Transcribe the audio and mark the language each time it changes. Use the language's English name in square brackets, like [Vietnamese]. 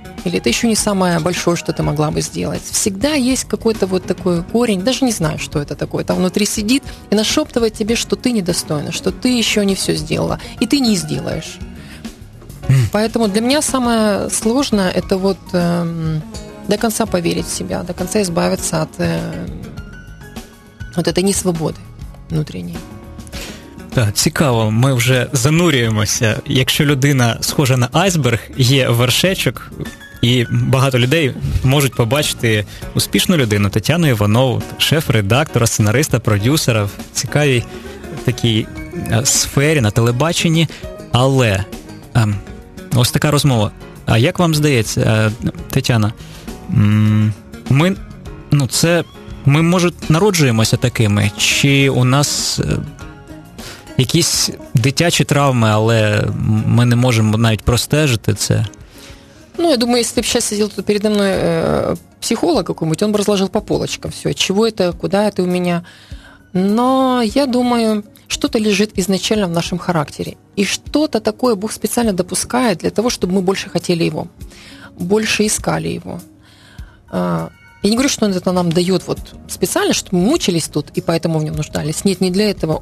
[Russian] Или это еще не самое большое, что ты могла бы сделать. Всегда есть какой-то вот такой корень, даже не знаю, что это такое, там внутри сидит и нашептывает тебе, что ты недостойна, что ты еще не все сделала, и ты не сделаешь. Поэтому для меня самое сложное – это вот до конца поверить в себя, до конца избавиться от вот этой несвободы внутренней. [Ukrainian] Так, цікаво, ми вже занурюємося. Якщо людина схожа на айсберг, є вершечок, і багато людей можуть побачити успішну людину, Тетяну Іванову, шеф-редактора, сценариста, продюсера, в цікавій такій сфері на телебаченні. Але ось така розмова. А як вам здається, Тетяна, ми, ну, це, ми, може, народжуємося такими, чи у нас... якісь дитячі травми, але ми не можемо навіть простежити це. Ну, я думаю, якщо б зараз сидів тут переді мною психолог якийсь, він би розложив по полочкам все, чого це, куди це у мене. [Russian] Но я думаю, что-то лежит изначально в нашем характере. И что-то такое Бог специально допускает для того, чтобы мы больше хотели его, больше искали его. Я не говорю, что он это нам дает вот специально, чтобы мы мучились тут и поэтому в нем нуждались. Нет, не для этого.